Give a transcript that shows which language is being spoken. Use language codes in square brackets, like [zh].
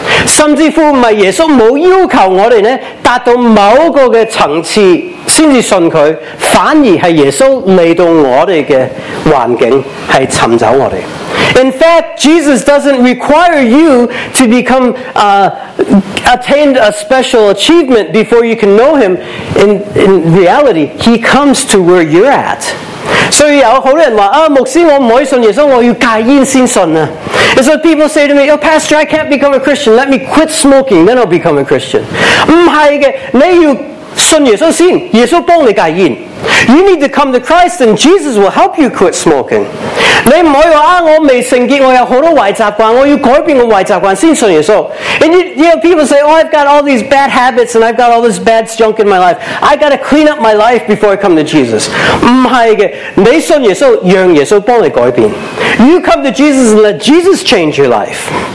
[yue] 甚至乎不是耶稣没有要求我们呢达到某个的层次先至信佢，反而系耶稣嚟到我哋嘅环境，系寻找我哋。 [en] In fact, Jesus doesn't require you to become attain a special achievement before you can know Him. In reality, He comes to where you're at. [yue] 所以有好多人话啊，牧师，我唔可以信耶稣，我要戒烟先信啊。 [en] And so people say to me, oh, Pastor, I can't become a Christian. Let me quit smoking, then I'll become a Christian. [yue] 唔系嘅，你要。信耶稣先，耶稣帮你戒烟。 [en] You need to come to Christ, and Jesus will help you quit smoking. [yue] 你唔可以话啊，我未圣洁，我有好多坏习惯，我要改变个坏习惯先信耶稣。 [en] And you know, people say, oh, I've got all these bad habits, and I've got all this bad junk in my life. I got to clean up my life before I come to Jesus. [yue] 唔系嘅，你信耶稣，让耶稣帮你改变。 [en] You come to Jesus and let Jesus change your life.